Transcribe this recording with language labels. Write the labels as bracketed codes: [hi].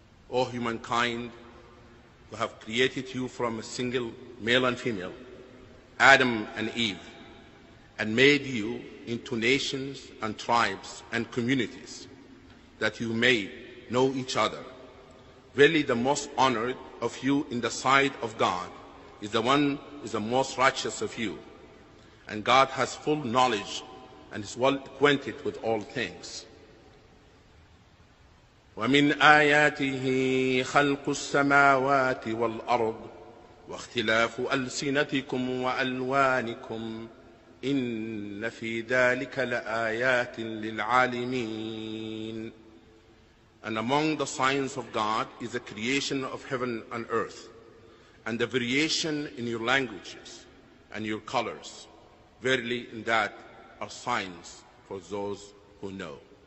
[en] O humankind, who have created you from a single male and female, Adam and Eve, and made you into nations and tribes and communities, that you may know each other. Verily, the most honored of you in the sight of God is the one who is the most righteous of you. And God has full knowledge and is well acquainted with all things. [ar] ومن آياته خلق السماوات والأرض واختلاف ألسنتكم وألوانكم إن في ذلك لآيات للعالمين. [en] And among the signs of God is the creation of heaven and earth, and the variation in your languages and your colors. Verily, in that are signs for those who know.